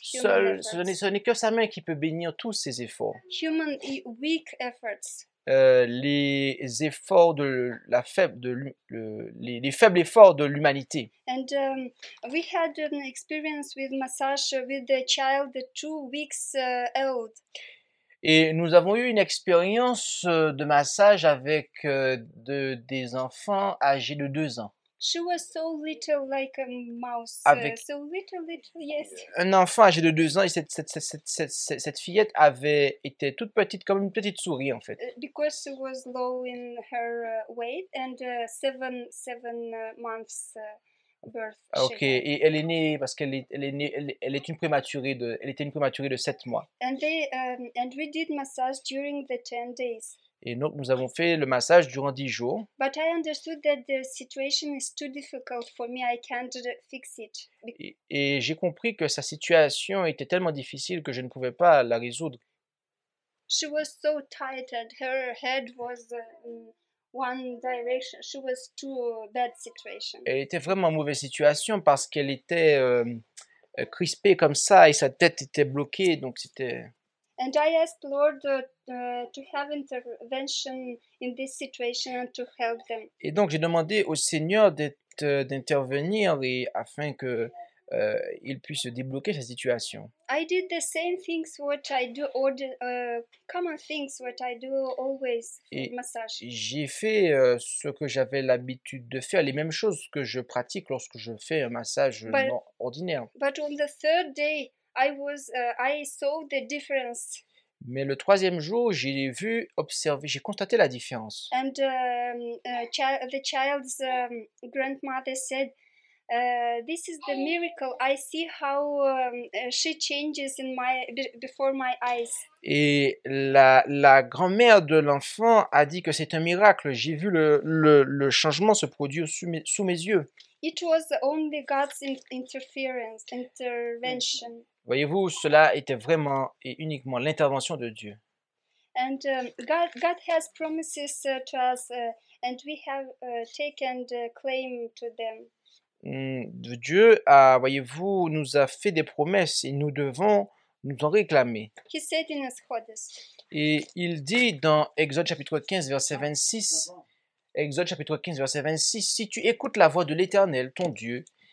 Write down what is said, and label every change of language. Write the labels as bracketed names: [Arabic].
[French] Ce n'est que sa main qui peut bénir tous ces efforts. [English] Human weak efforts. [French] Les efforts de la faible, les faibles efforts de l'humanité. [English] And we had an experience with massage with a child 2 weeks old. [French] Et nous avons eu une expérience de massage avec des enfants âgés de 2 ans. [English] She was so little, like a mouse. Avec so little, yes. [French] Un enfant âgé de 2 ans, et cette fillette avait été toute petite, comme une petite souris, en fait. [English] Because she was low in her weight and seven months birth. [French] Okay, et elle est née parce elle était une prématurée de 7 mois. [English] And and we did massage during the 10 days. [French] Et donc, nous avons fait le massage durant 10 jours. [English] But I understood that the situation is too difficult for me. I can't fix it. [French] Et j'ai compris que sa situation était tellement difficile que je ne pouvais pas la résoudre. [English] She was so tired. Her head was one direction. She was too bad situation. [French] Elle était vraiment en mauvaise situation parce qu'elle était crispée comme ça et sa tête était bloquée. Donc, c'était... [English] And I asked Lord to have intervention in this situation and to help them. [French] Et donc j'ai demandé au Seigneur d'intervenir et afin que il puisse débloquer sa situation. [English] I did the same things what I do or the common things what I do always for massage. [French] J'ai fait ce que j'avais l'habitude de faire, les mêmes choses que je pratique lorsque je fais un massage ordinaire. [English] But on the third day I saw the difference. [French] Mais le troisième jour, j'ai vu, observé, j'ai constaté la différence. [English] And the child's grandmother said, "This is the miracle. I see how she changes in my before my eyes." [French] Et la grand-mère de l'enfant a dit que c'est un miracle. J'ai vu le changement se produire sous mes yeux. [English] It was only God's intervention. [French] Voyez-vous, cela était vraiment et uniquement l'intervention de Dieu. [English] And God has promises to us and we have taken the claim to them. [French] Dieu a, voyez-vous, nous a fait des promesses et nous devons nous en réclamer. [English] He said in Exodus. [French] Et il dit dans Exode chapitre 15 verset 26. Exode chapitre 15 verset 26, si tu écoutes la voix de l'Éternel, ton Dieu,